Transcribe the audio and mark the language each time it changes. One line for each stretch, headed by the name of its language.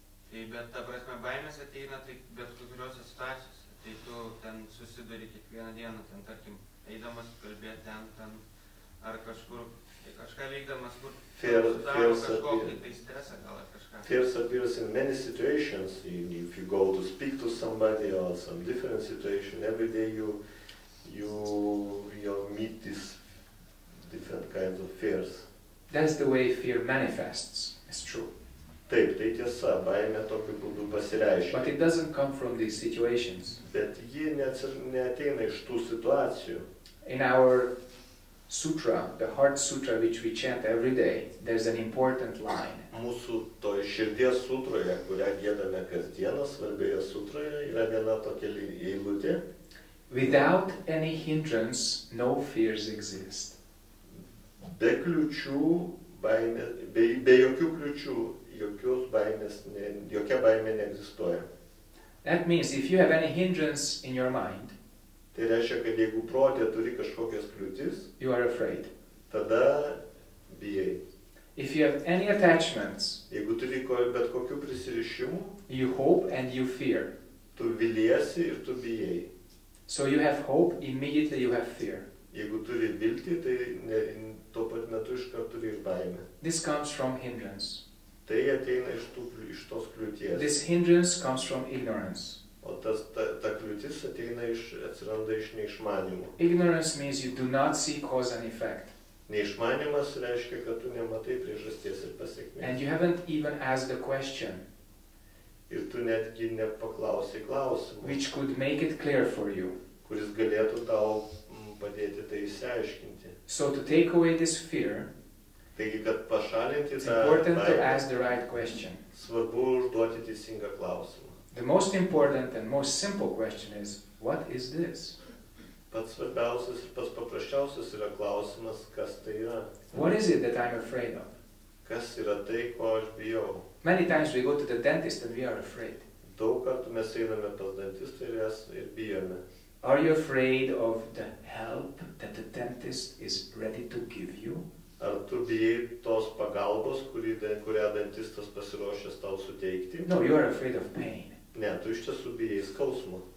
Lithuanian: Tai bet, ta prasme, baimės ateina tai bet kuriuose situacijose. Tai tu ten susiduri kiekvieną dieną, ten tarkim, eidamas kalbėti ten, ar kažkur, kažką veikdamas, kur sudaro kažkokį tai stresą gal ar kažką.
English: Fears appears in many situations. If you go to speak to somebody or some different situation, every day you meet these different kinds of fears. That's the way fear manifests. It's true.
Lithuanian: Taip, tai tiesa, baimė tokiu būdu pasireiškia.
English: But it doesn't come from these situations.
Lithuanian: Bet ji neateina iš tų situacijų.
English: In our sutra, the heart sutra which we chant every day, there's an important line.
Lithuanian: Mūsų toje širdies sutroje, kurią giedame kasdieną, svarbioje sutroje, yra viena tokia eilutė.
English: Without any hindrance, no fears exist.
Lithuanian: Be kliučių, baimė, be jokių kliučių, jokios baimės, jokia baimė neegzistuoja.
English: That means if you have any hindrance in your mind,
Lithuanian: tai reiškia, kad jeigu protė turi kažkokias kliūtis,
English: you are afraid.
Lithuanian: Tada bijai.
English: If you have any attachments,
Lithuanian: jeigu turi bet kokių prisirišimų,
English: you hope and you fear.
Lithuanian: Tu viliesi ir tu bijai.
English: So you have hope, immediately you have fear.
Lithuanian: Jeigu turi viltį, tai tuo pat metu iškart turi ir baimę.
English: This comes from hindrance.
Lithuanian: Tai ateina iš tos kliūties.
English: This hindrance comes from ignorance.
Lithuanian: O ta kliūtis atsiranda iš neišmanimo.
English: Ignorance means you do not see cause and effect.
Lithuanian: Neišmanimas reiškia, kad tu nematai priežasties ir pasekmės.
English: And you haven't even asked the question.
Lithuanian: Ir tu netgi nepaklausi klausimų.
English: Which could make it clear for you.
Lithuanian: Kuris galėtų tau padėti tai išsiaiškinti.
English: So to take away this fear,
Lithuanian: taigi, kad pašalinti
English: it's important to ask the right question.
Lithuanian: Svarbu užduoti teisingą klausimą.
English: The most important and most simple question is, what is this?
Lithuanian: Pats svarbiausias ir pats paprasčiausias yra klausimas, kas tai yra.
English: What is it that I'm afraid of?
Lithuanian: Kas yra tai, ko aš bijau?
English: Many times we go to the dentist and we are afraid.
Lithuanian: Daug kartų mes einame pas dentistą ir bijame.
English: Are you afraid of the help that the dentist is ready to give you?
Lithuanian: Ar tu bijai tos pagalbos, kurią dentistas pasiruošęs tau suteikti?
English: No, you are afraid of pain.
Lithuanian: Ne, tu iš tiesų bijai skausmo.